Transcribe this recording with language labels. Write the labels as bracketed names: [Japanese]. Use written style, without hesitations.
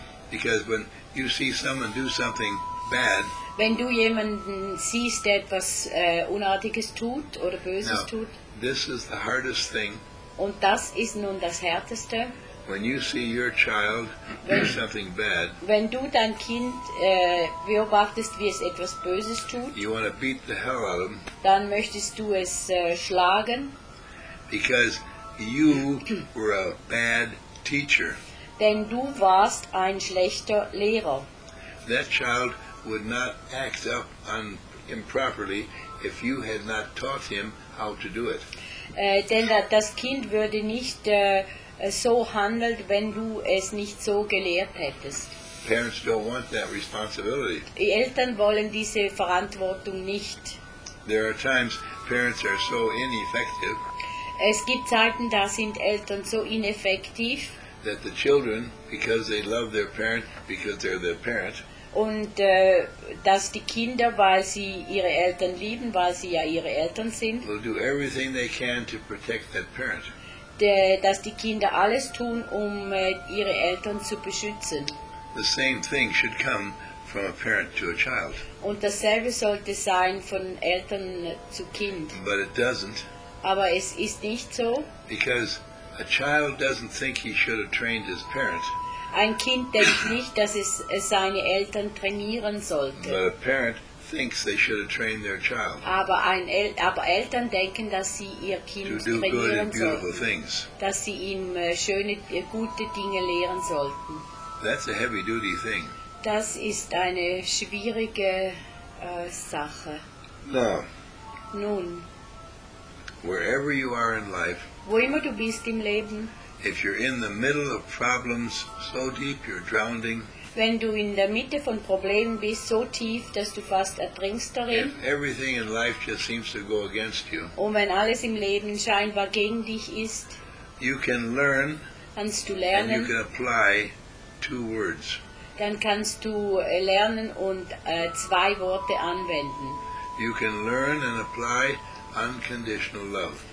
[English] Because when you see someone do something bad. [German] Wenn du jemanden siehst, der etwas Unartiges tut oder Böses [English] now, [German] tut. [English] This is the hardest thing. [German] Und das ist nun das Härteste. [English] When you see your child do something bad. [German] Wenn du dein Kind beobachtest, wie es etwas Böses tut. [English] You want to beat the hell out of him. [German] Dann möchtest du es schlagen. [English] Because you were a bad teacher. [German] Denn du warst ein schlechter Lehrer. [English] That child would not act up on improperly if you had not taught him how to do it. [German] Denn das Kind würde nicht so handelt, wenn du es nicht so gelehrt hättest. [English] Parents don't want that responsibility. [German] Die Eltern wollen diese Verantwortung nicht. [English] There are times parents are so ineffective. [German] Es gibt Zeiten, da sind Eltern so ineffektiv. [English] That the children, because they love their parent, because they're their parent. [German] Und dass die Kinder, weil sie ihre Eltern lieben, weil sie ja ihre Eltern sind. [English] Will do everything they can to protect that parent. [German] Dass die Kinder alles tun, um ihre Eltern zu beschützen. [English] The same thing should come from a parent to a child. [German] Und dasselbe sollte sein von Eltern zu Kind. [English] But it doesn't. [German] Aber es ist nicht so. [English] Because a child doesn't think he should have trained his parent. [German] Ein Kind denkt nicht, dass es seine Eltern trainieren sollte. [English] But a parent thinks they should have trained their child. [German] Aber Eltern denken, dass sie ihr Kind trainieren sollten, dass sie ihm schöne, gute Dinge lehren sollten. [English] That's a heavy duty thing. [German] Das ist eine schwierige Sache. [English] Now, [German] nun, [English] wherever you are in life, [German] wo immer du bist im Leben, [English] if you're in the middle of problems so deep you're drowning, [German] wenn du in der Mitte von Problemen bist, so tief, dass du fast ertrinkst darin. [English] Everything in life just seems to go against you. [German] Und wenn alles im Leben scheinbar gegen dich ist, [English] you can learn, [German] kannst du lernen, [English] and you can apply two words. [German] Dann kannst du lernen und zwei Worte anwenden. [English] You can learn and apply unconditional love.